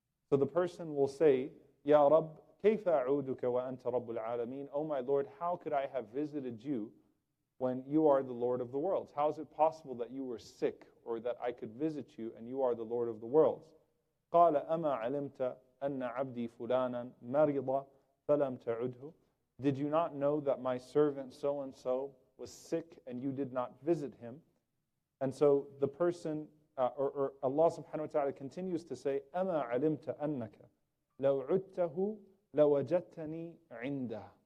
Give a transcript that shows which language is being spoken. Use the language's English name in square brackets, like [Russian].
[English] So the person will say, Ya Rabb, [Arabic] كيف أعودك وأنت رب العالمين? [English] Oh my Lord, how could I have visited you when you are the Lord of the worlds? How is it possible that you were sick, or that I could visit you and you are the Lord of the worlds? [Arabic] قال أما علمت أن عبدي فلانا مريضا فلم تعده? [English] Did you not know that my servant so-and-so was sick and you did not visit him? And so the person, or Allah subhanahu wa ta'ala continues to say, [Arabic] أما علمت أنك لو عدته لوجدتني عنده.